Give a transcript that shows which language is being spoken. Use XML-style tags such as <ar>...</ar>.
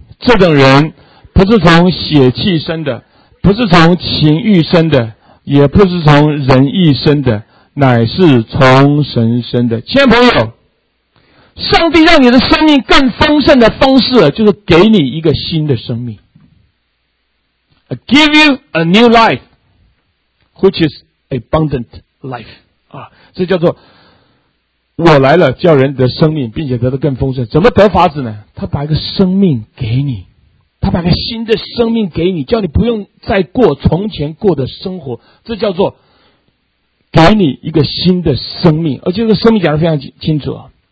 <zh>这等人不是从血气生的，不是从情欲生的，也不是从人意生的，乃是从神生的。亲爱的朋友，上帝让你的生命更丰盛的方式，就是给你一个新的生命。</zh> <en>I give you a new life, which is abundant life.</en> <zh>啊，这叫做我来了，叫人得生命，并且得的更丰盛。怎么得法子呢？他把一个生命给你，他把一个新的生命给你，叫你不用再过从前过的生活。这叫做给你一个新的生命，而且这个生命讲得非常清楚啊。</zh>